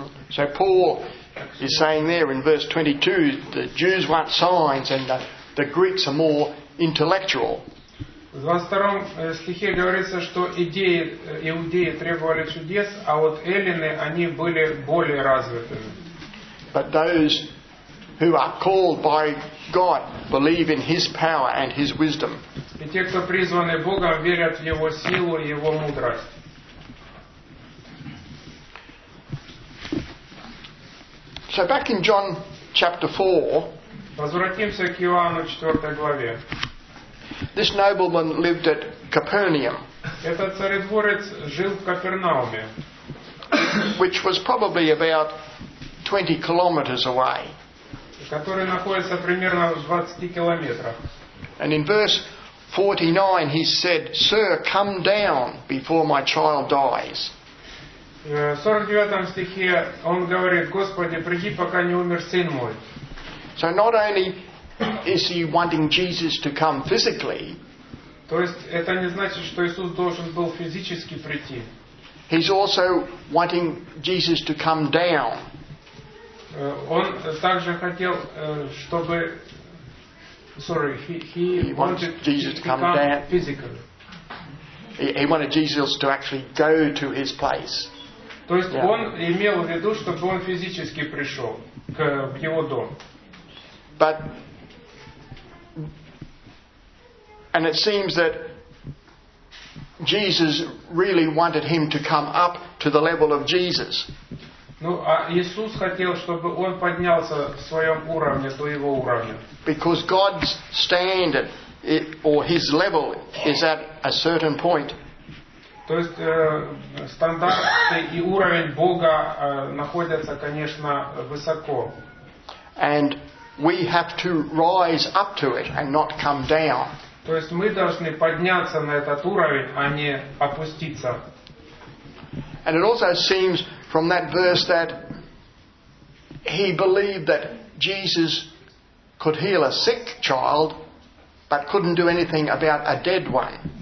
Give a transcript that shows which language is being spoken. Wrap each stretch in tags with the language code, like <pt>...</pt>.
<en>So Paul is saying there in verse 22, the Jews want signs and the Greeks are more intellectual.</en> <ru>В 22 стихе говорится, что иудеи требовали чудес, а вот эллины, они были более развитыми.</ru> <en>But those who are called by God believe in His power and His wisdom.</en> <ru>И те, кто призваны Богом, верят в Его силу и Его мудрость.</ru> <en>So back in John chapter 4,</en> <ru>возвратимся к Иоанну 4 главе.</ru> <en>This nobleman lived at Capernaum.</en> <ru>Этот царедворец жил в Капернауме.</ru> <en>Which was probably about 20 kilometers away.</en> <ru>Который находится примерно в 20 километрах.</ru> <en>And in verse 49 he said, "Sir, come down before my child dies."</en> <ru>В 49 стихе он говорит: "Господи, приди, пока не умер сын мой."</ru> <en>So not only is he wanting Jesus to come physically.</en> <ru>То есть это не значит, что Иисус должен был физически прийти.</ru> <en>He's also wanting Jesus to come down.</en> <ru>Он также хотел, чтобы...</ru> <en>Sorry, he wanted Jesus to come down physically. He wanted Jesus to actually go to his place.</en> <ru>То есть yeah. Он имел в виду, чтобы он физически пришел в его дом.</ru> <en>But and it seems that Jesus really wanted him to come up to the level of Jesus.</en> <ru>Ну, а Иисус хотел, чтобы он поднялся в своем уровне, до его уровня.</ru> <en>Because God's standard, or His level, is at a certain point.</en> <ru>То есть стандарты и уровень Бога находятся, конечно, высоко.</ru> <en>And we have to rise up to it and not come down.</en> <ru>То есть мы должны подняться на этот уровень, а не опуститься.</ru> <en>And it also seems from that verse that he believed that Jesus could heal a sick child, but couldn't do anything about a dead one.</en>